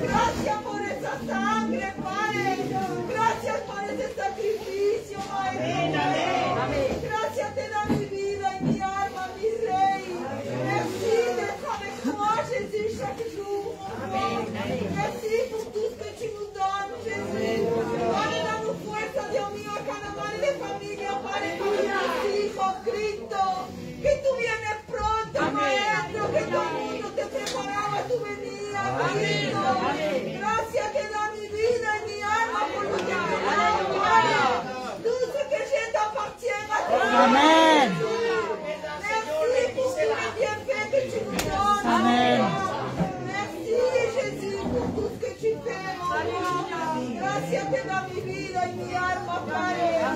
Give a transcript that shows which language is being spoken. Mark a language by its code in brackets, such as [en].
[es] Gracias por esa sangre, Padre. Gracias por ese sacrificio, Padre. Gracias te da mi vida y mi alma, mi rey. [fr] Merci de faire croire, Jésus, chaque jour, mon roi. Merci pour tout ce que tu nous donnes, Jésus. [es] Padre, dame fuerza, Dios mío, a cada madre de familia, Padre, con mis hijos, Cristo. Que tú vienes pronto, Maestro, que tu mundo te preparaba, tú venías, Cristo. Gracias te da mi vida y mi alma por lo que te da, Padre. [fr] Tout ce que j'ai t'appartient à toi. Amen. Merci pour tous les bienfaits que tu nous donnes. Amen. Merci Jésus pour tout ce que tu fais, mon roi. Merci à toi dans ma vie, dans mes armes, Père.